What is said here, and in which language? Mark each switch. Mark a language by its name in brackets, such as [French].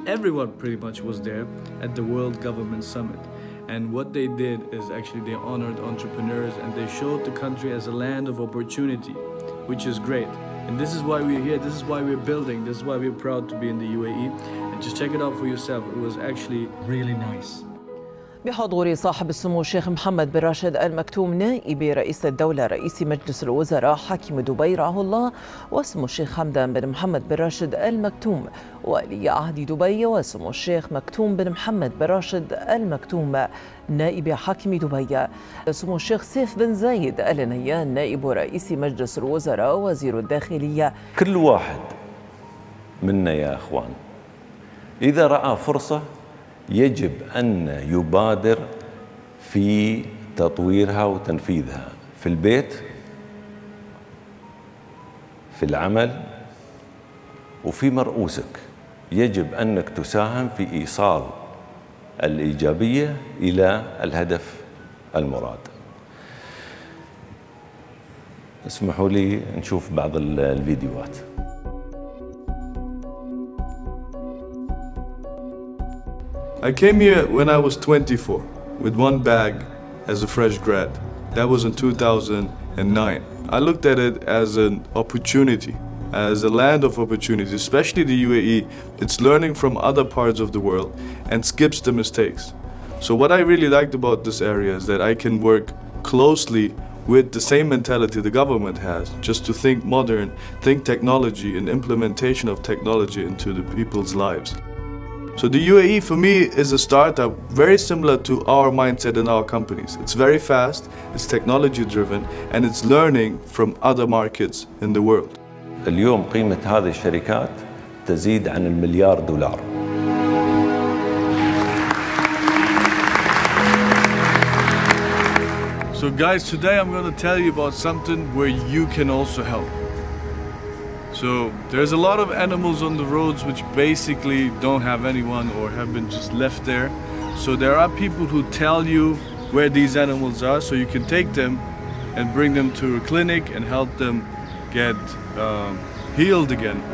[English] Everyone pretty much was there at the World Government Summit. And what they did is actually they honored entrepreneurs and they showed the country as a land of opportunity, which is great. And this is why we're here, this is why we're building, this is why we're proud to be in the UAE. And just check it out for yourself, it was actually really nice. [Arabic] بحضور صاحب السمو الشيخ محمد بن راشد المكتوم نائب رئيس الدولة رئيس مجلس الوزراء حاكم دبي رعاه الله وسمو الشيخ حمدان بن محمد بن راشد المكتوم ولي عهد دبي وسمو الشيخ مكتوم بن محمد بن راشد المكتوم نائب حاكم دبي سمو الشيخ سيف بن زايد النيان نائب رئيس مجلس الوزراء وزير الداخلية كل واحد منا يا أخوان إذا رأى فرصة يجب أن يبادر في تطويرها وتنفيذها في البيت في العمل وفي مرؤوسك يجب أنك تساهم في إيصال الإيجابية إلى الهدف المراد اسمحوا لي نشوف بعض الفيديوهات [English] I came here when I was 24, with one bag as a fresh grad. That was in 2009. I looked at it as an opportunity, as a land of opportunity, especially the UAE. It's learning from other parts of the world and skips the mistakes. So what I really liked about this area is that I can work closely with the same mentality the government has, just to think modern, think technology and implementation of technology into the people's lives. So the UAE for me is a startup very similar to our mindset in our companies. It's very fast, it's technology driven, and it's learning from other markets in the world. [Arabic] اليوم قيمة هذه الشركات تزيد عن المليار دولار. [English] So guys, today I'm going to tell you about something where you can also help. So there's a lot of animals on the roads which basically don't have anyone or have been just left there. So there are people who tell you where these animals are so you can take them and bring them to a clinic and help them get healed again.